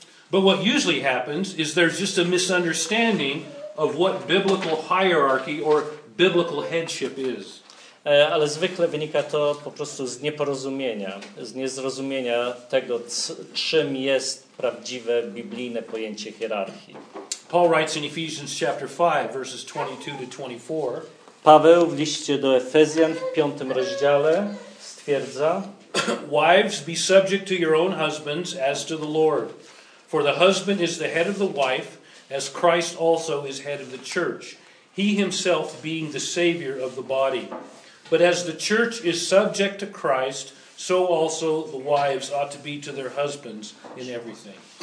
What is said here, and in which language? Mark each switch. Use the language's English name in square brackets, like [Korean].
[English] But what usually happens is there's just a misunderstanding of what biblical hierarchy or biblical headship is. [Polish] Ale zwykle wynika to po prostu z nieporozumienia, z niezrozumienia tego, czym jest prawdziwe biblijne pojęcie hierarchii. [English] Paul writes in Ephesians chapter 5, verses 22-24. [Polish] Paweł w liście do Efezjan w 5 rozdziale stwierdza: [English] Wives, be subject to your own husbands as to the Lord. For the husband is the head of the wife, as Christ also is head of the church, he himself being the savior of the body. But as the church is subject to Christ, so also the wives ought to be to their husbands in everything.